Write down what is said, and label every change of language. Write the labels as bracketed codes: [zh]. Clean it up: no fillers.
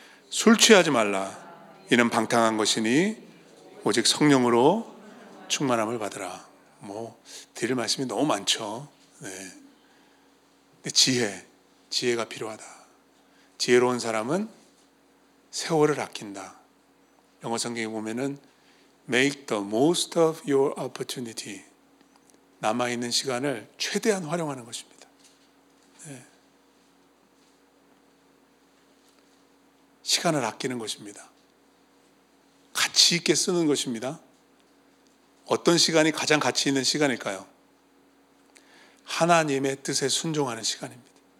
[ko] 술 취하지 말라. 이는 방탕한 것이니 오직 성령으로 충만함을 받으라. 뭐 드릴 말씀이 너무 많죠. 네. 지혜가 필요하다. 지혜로운 사람은 세월을 아낀다. 영어 성경에 보면은 [en] make the most of your opportunity. [ko] 남아 있는 시간을 최대한 활용하는 것입니다. 네. 시간을 아끼는 것입니다. 가치 있게 쓰는 것입니다. 어떤 시간이 가장 가치 있는 시간일까요? 하나님의 뜻에 순종하는 시간입니다.